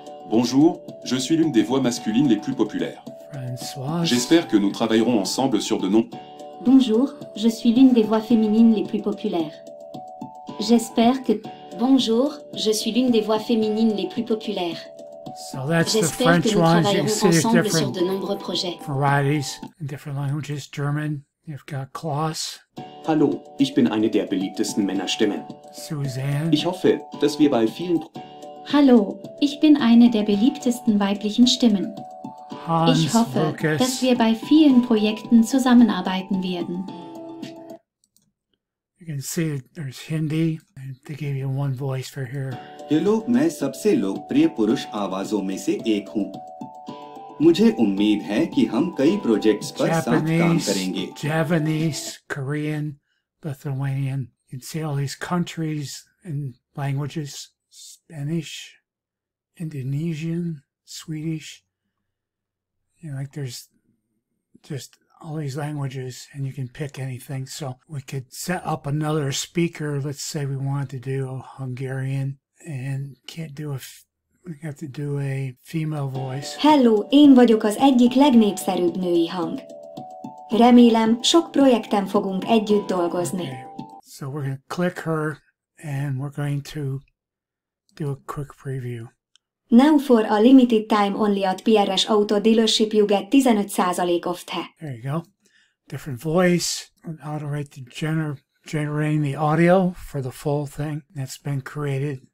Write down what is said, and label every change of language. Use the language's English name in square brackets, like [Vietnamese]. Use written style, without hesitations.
[French] Bonjour, je suis l'une des voix masculines les plus populaires. Françoise. J'espère que nous travaillerons ensemble sur de nombreux... Bonjour, je suis l'une des voix féminines les plus populaires. J'espère que... Bonjour, je suis l'une des voix féminines les plus populaires. [English] So that's the French ones. You can see there's different varieties in different languages. German, you've got Klaus. [German] Hallo, ich bin eine der beliebtesten Männerstimmen. Suzanne. Ich hoffe, dass wir bei vielen... Hallo, ich bin eine der beliebtesten weiblichen Stimmen. Hans, ich hoffe, Lucas. Dass wir bei vielen Projekten zusammenarbeiten werden. [English] You can see there's Hindi. They gave you one voice for here. [Hindi] Hello, मैं सबसे लोकप्रिय पुरुष आवाजों में से एक हूँ. मुझे उम्मीद है कि हम कई प्रोजेक्ट्स पर साथ काम करेंगे. [English] Japanese, Korean, Lithuanian. You can see all these countries and languages: Spanish, Indonesian, Swedish. You know, like there's just all these languages, and you can pick anything. So we could set up another speaker. Let's say we wanted to do a Hungarian. And can't do a... We have to do a female voice. [Hungarian] Hello, én vagyok az egyik legnépszerűbb női hang. Remélem, sok projekten fogunk együtt dolgozni. [English] Okay. So we're going to click her, and we're going to do a quick preview. Now for a limited time only at PRS Auto Dealership, you get 15% off. There you go. Different voice. How to write the generating the audio for the full thing that's been created.